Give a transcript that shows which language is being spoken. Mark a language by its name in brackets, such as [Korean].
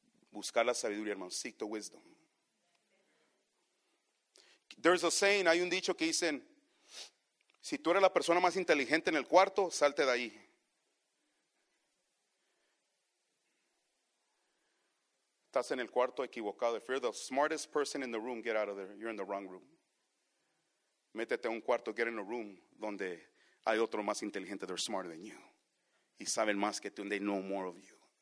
[Spanish] Buscar la sabiduría, hermano. [English] Seek the wisdom. There's a saying, [Spanish] hay un dicho que dicen, si tú eres la persona más inteligente en el cuarto, salte de ahí. Estás en el cuarto equivocado. [English] If you're the smartest person in the room, get out of there. You're in the wrong room. [Spanish] Métete a un cuarto, [English] get in a room [Spanish] donde hay otro más inteligente. [English] They're smarter than you. [Spanish] Y saben más que tú. [English] And they know more of you.